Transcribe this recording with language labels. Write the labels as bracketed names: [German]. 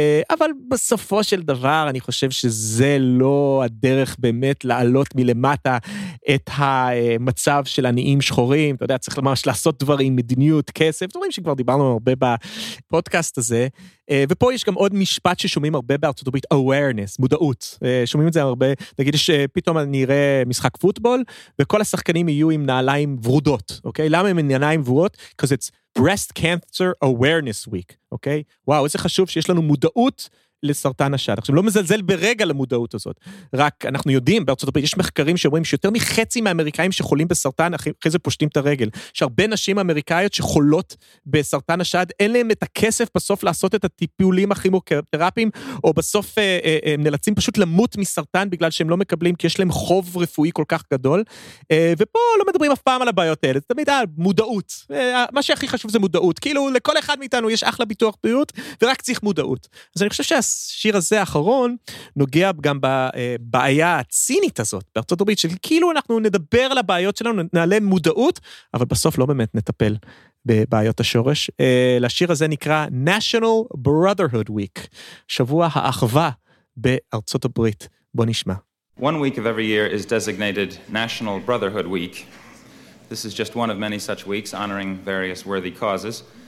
[Hebrew] אבל בסופו של דבר, אני חושב שזה לא הדרך באמת לעלות מלמטה את המצב של עניים שחורים, אתה יודע, צריך ממש לעשות דברים מדיניות, כסף, דברים שכבר דיברנו הרבה בפודקאסט הזה, ופה יש גם עוד משפט ששומעים הרבה בארצות הברית, awareness, מודעות, שומעים את זה הרבה, נגיד שפתאום אני אראה משחק פוטבול, וכל השחקנים יהיו עם נעליים ורודות, אוקיי? למה הם עם נעליים ורודות? [English] Because it's breast cancer awareness week, אוקיי? [Hebrew] וואו, איזה חשוב שיש לנו מודעות לסרטן השד. עכשיו, לא מזלזל ברגע למודעות הזאת. רק, אנחנו יודעים, בארצות הברית, יש מחקרים שאומרים שיותר מחצי מהאמריקאים שחולים בסרטן, אחרי זה פושטים את הרגל. שהרבה נשים אמריקאיות שחולות בסרטן השד, אין להם את הכסף בסוף לעשות את הטיפולים הכימותרפיים, או בסוף הם נלצים פשוט למות מסרטן, בגלל שהם לא מקבלים, כי יש להם חוב רפואי כל כך גדול. ופה לא מדברים אף פעם על הבעיות האלה. זה תמיד על מודעות. מה שהכי חשוב זה מודעות. כאילו, לכל אחד מאיתנו יש אחלה ביטוח בריאות, ורק צריך מודעות. אז אני חושב השיר הזה האחרון נוגע גם בבעיה הצינית הזאת בארצות הברית, של כאילו אנחנו נדבר על הבעיות שלנו, נעלה מודעות, אבל בסוף לא באמת נטפל בבעיות השורש. לשיר הזה נקרא National Brotherhood Week, שבוע האחווה בארצות הברית. בוא נשמע. [English] One week of every year is designated National Brotherhood Week. This is just one of many such weeks honoring various worthy causes.